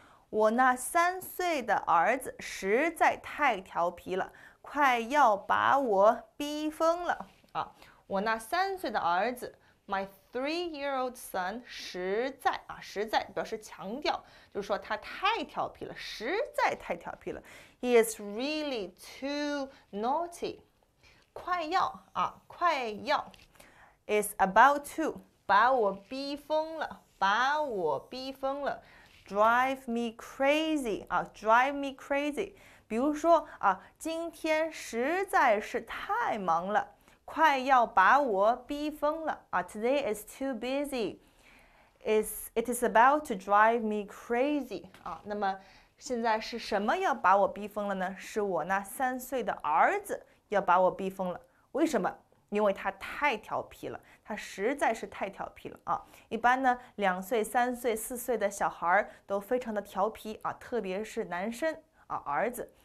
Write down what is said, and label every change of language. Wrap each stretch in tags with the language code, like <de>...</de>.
<zh>我那3岁的儿子实在太调皮了，快要把我逼疯了啊！我那3岁的儿子，</zh> <en>my 3-year-old son，</en> <zh>实在啊，实在表示强调，就是说他太调皮了，实在太调皮了。</zh> <en>He is really too naughty。</en> <zh>快要啊，快要，</zh> <en>is about to</en> <zh>把我逼疯了，把我逼疯了。</zh> <en>Drive me crazy 啊，drive me crazy。</en> <zh>比如说啊，今天实在是太忙了，快要把我逼疯了啊。</zh> <en>Today is too busy. It is about to drive me crazy 啊。</en> <zh>那么现在是什么要把我逼疯了呢？是我那3岁的儿子要把我逼疯了。为什么？因为他太调皮了，他实在是太调皮了啊！一般呢，2岁、3岁、4岁的小孩儿都非常的调皮啊，特别是男生啊，儿子。</zh>